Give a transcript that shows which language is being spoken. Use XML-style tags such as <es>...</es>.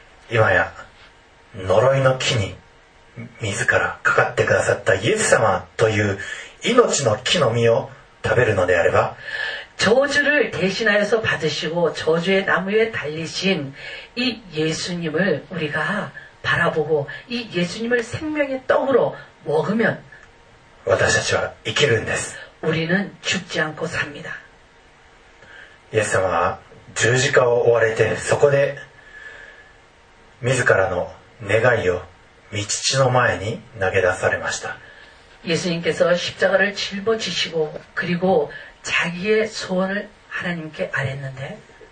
<ja>今や呪いの木に自らかかってくださったイエス様という命の木の実を食べるのであれば</ja> <ko>저주를대신하여서받으시고저주의나무에달리신이예수님을우리가바라보고이예수님을생명의떡으로먹으면</ko> <ja>私たちは生きるんです</ja> <ko>우리는죽지않고삽니다</ko> <ja>イエス様は十字架を追われてそこで自らの願いを道の前に投げ出されました</ja> <ko>예수님께서십자가를짊어지시고그리고자기의소원을하나님께아뢰는데</ko>